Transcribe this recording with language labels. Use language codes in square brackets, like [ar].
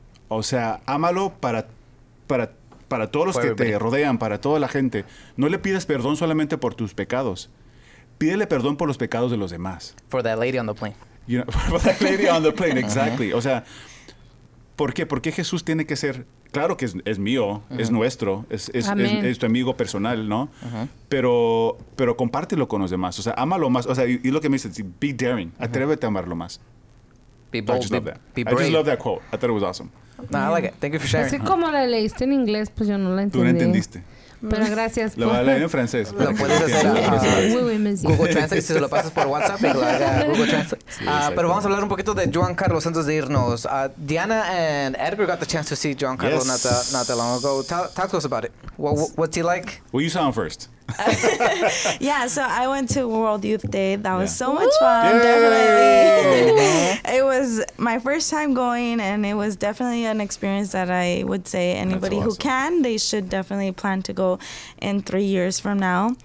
[es] O sea, ámalo para todos los que te rodean, para toda la gente. No le pidas perdón solamente por tus pecados. Pídele perdón por los pecados de los demás. [en] For that lady on the plane. You know, for that lady on the plane, exactly. [es] O sea, ¿por qué? ¿Por qué Jesús tiene que ser? Claro que es mío, es nuestro, es tu amigo personal, ¿no? Pero compártelo con los demás. O sea, ámalo más. O sea, y lo que me dices, [en] be daring. [es] Atrévete a amarlo más. [en] Be bold. I just love that. Be brave. I just love that quote. I thought it was awesome. No, I like it. Thank you for sharing. [es] Así como la leíste en inglés, pues yo no la entendí. Tú no entendiste. Pero gracias. Lo voy a leer en francés. Lo puedes hacer Google Translate, si se lo pasas por WhatsApp, y lo haga Google Translate. Pero vamos a hablar un poquito de Juan Carlos antes de irnos. [en] Diana and Edgar got the chance to see Juan Carlos not that long ago. Talk to us about it. What's he like? Well, you saw him first. Yeah, so I went to World Youth Day. That was so much fun. Yay! Definitely. It was my first time going, and it was definitely an experience that I would say anybody who can, they should definitely plan to go in 3 years from now.